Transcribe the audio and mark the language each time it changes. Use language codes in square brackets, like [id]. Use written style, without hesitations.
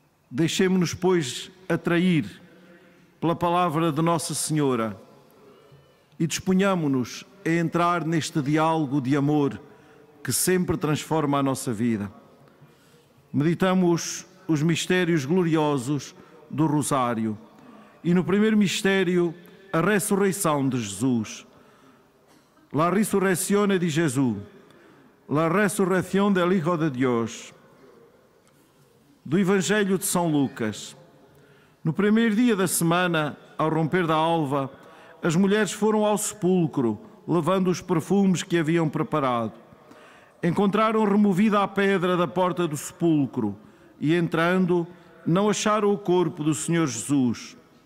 [pt] Deixemo-nos, pois, atrair pela palavra de Nossa Senhora e disponhamo-nos a entrar neste diálogo de amor que sempre transforma a nossa vida. Meditamos os mistérios gloriosos do Rosário e no primeiro mistério, a ressurreição de Jesus. [it] La risurrezione di Gesù, la resurrezione [es] del Hijo de Dios. [pt] Do Evangelho de São Lucas. No primeiro dia da semana, ao romper da alva, as mulheres foram ao sepulcro, levando os perfumes que haviam preparado. Encontraram removida a pedra da porta do sepulcro e, entrando, não acharam o corpo do Senhor Jesus.